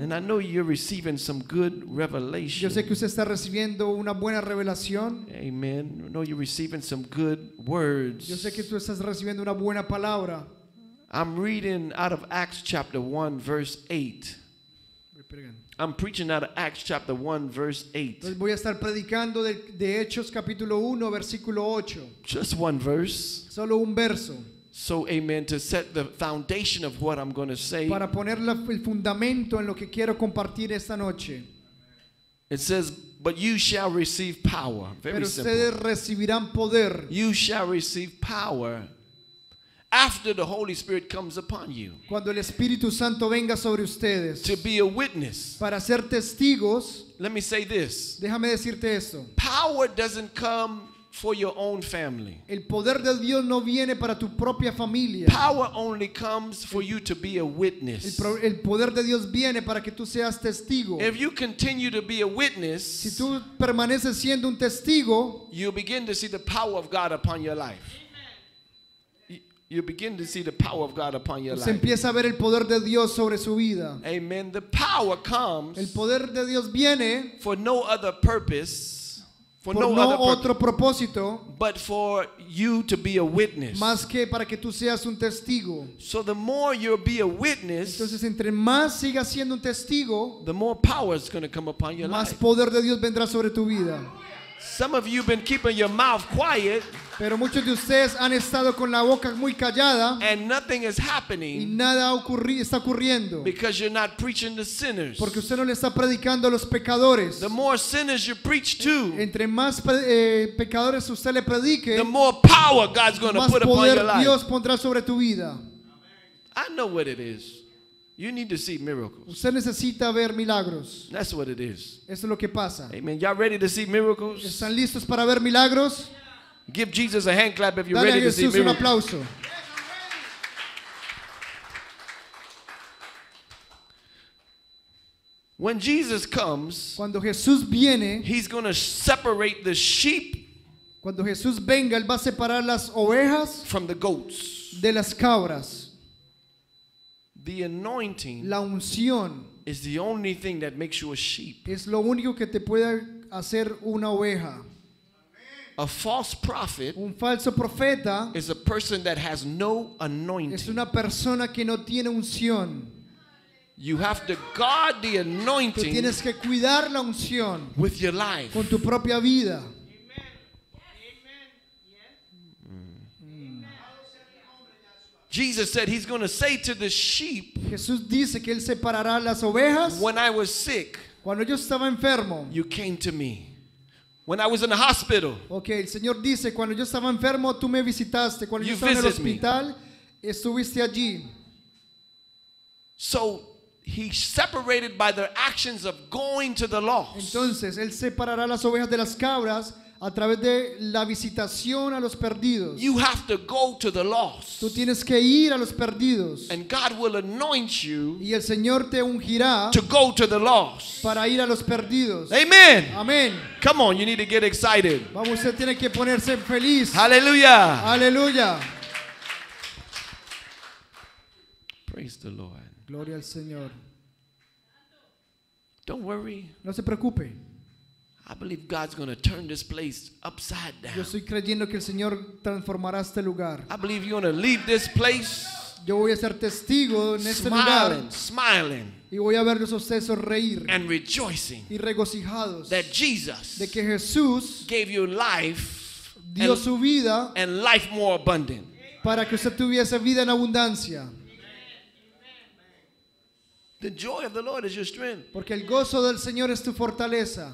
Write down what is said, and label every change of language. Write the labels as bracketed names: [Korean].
[English] And I know you're receiving some good revelation. [Spanish] Yo sé que usted está recibiendo una buena revelación. [English] Amen. I know you're receiving some good words. [Spanish] Yo sé que tú estás recibiendo una buena palabra. [English] I'm reading out of Acts chapter 1 verse 8. I'm preaching out of Acts chapter 1 verse 8. [Spanish] Entonces voy a estar predicando de Hechos capítulo 1 versículo 8. [English] Just one verse. [Spanish] Solo un verso. [English] So amen, to set the foundation of what I'm going to say. [Spanish] Para poner el fundamento en lo que quiero compartir esta noche. [English] It says, but you shall receive power. Very simple. [Spanish] Pero ustedes recibirán poder. [English] You shall receive power after the Holy Spirit comes upon you. [Spanish] Cuando el Espíritu Santo venga sobre ustedes. [English] To be a witness. [Spanish] Para ser testigos. [English] Let me say this. [Spanish] Déjame decirte esto. [English] Power doesn't come for your own family. [Spanish] El poder de Dios no viene para tu propia familia. [English] Power only comes for you to be a witness. [Spanish] El poder de Dios viene para que tú seas testigo. [English] If you continue to be a witness, [Spanish] si tú permaneces siendo un testigo, [English] you begin to see the power of God upon your life. You begin to see the power of God upon your life. [Spanish] Se empieza a ver el poder de Dios sobre su vida. [English] Amen. The power comes. [Spanish] El poder de Dios viene [English] for no other purpose. For [Spanish] por no otro propósito, [English] but for you to be a witness. [Spanish] Más que para que tú seas un testigo. [English] So the more you'll be a witness, [Spanish] entonces entre más sigas siendo un testigo, [English] the more power is going to come upon your [Spanish] más [English] life. [Spanish] Más poder de Dios vendrá sobre tu vida. [English] Some of you have been keeping your mouth quiet. [Spanish] Pero muchos de ustedes han estado con la boca muy callada. [English] And nothing is happening. [Spanish] Y nada está ocurriendo. [English] Because you're not preaching to sinners. [Spanish] Porque usted no le está predicando a los pecadores. [English] The more sinners you preach to, [Spanish] entre más pecadores usted le predique, [English] the more power God's going to put upon your life. [Spanish] Más poder Dios pondrá sobre tu vida. [English] I know what it is. You need to see miracles. [Spanish] Usted necesita ver milagros. [English] That's what it is. [Spanish] Eso es lo que pasa. [English] Amen. Y'all ready to see miracles? [Spanish] ¿Están listos para ver milagros? [English] Give Jesus a hand clap if you're [Spanish] dale [English] ready to [Spanish] Jesús [English] see miracles. [Spanish] Un aplauso. [English] When Jesus comes, [Spanish] cuando Jesús viene, [English] he's going to separate the sheep. [Spanish] Cuando Jesús venga, él va a separar las ovejas [English] from the goats. [Spanish] De las cabras. [English] The anointing, [Spanish] la unción, [English] is the only thing that makes you a sheep. [Spanish] Es lo único que te puede hacer una oveja. [English] A false prophet, [Spanish] un falso profeta, [English] is a person that has no anointing. [Spanish] Es una persona que no tiene unción. [English] You have to guard the anointing. [Spanish] Tú tienes que cuidar la unción [English] with your life. [Spanish] Con tu propia vida. [English] Jesus said he's going to say to the sheep. [Spanish] Jesús dice que él separará las ovejas. [English] When I was sick, [Spanish] cuando yo estaba enfermo, [English] you came to me. When I was in the hospital, [Spanish] okay, el Señor dice cuando yo estaba enfermo tú me visitaste. Cuando [English] you [Spanish] yo estaba en el hospital, [English] me. [Spanish] Estuviste allí. [English] So he separated by their actions of going to the lost. [Spanish] Entonces él separará las ovejas de las cabras. A través de la visitación a los perdidos. [English] You have to go to the lost. [Spanish] Tú tienes que ir a los perdidos. [English] And God will anoint you. [Spanish] Y el Señor te ungirá. [English] To go to the lost. [Spanish] Para ir a los perdidos. Amen. Amen. [English] Come on, you need to get excited. [Spanish] Vamos, usted tiene que ponerse feliz. Hallelujah. Hallelujah. [English] Praise the Lord. [Spanish] Gloria al Señor. [English] Don't worry. [Spanish] No se preocupe. [English] I believe God's going to turn this place upside down. [Spanish] Yo estoy creyendo que el Señor transformará este lugar. [English] I believe you're going to leave this place. [Spanish] Yo voy a ser testigo en este lugar. [English] Smiling. [Spanish] Y voy a verlos a ustedes sonreír. [English] And rejoicing. [Spanish] Y regocijados. [English] That Jesus. [Spanish] De que Jesús [English] gave you life. [Spanish] Dio su vida. [English] And life more abundant. [Spanish] Amen. para que usted tuviese vida en abundancia. [English] The joy of the Lord is your strength. [Spanish] Porque el gozo del Señor es tu fortaleza.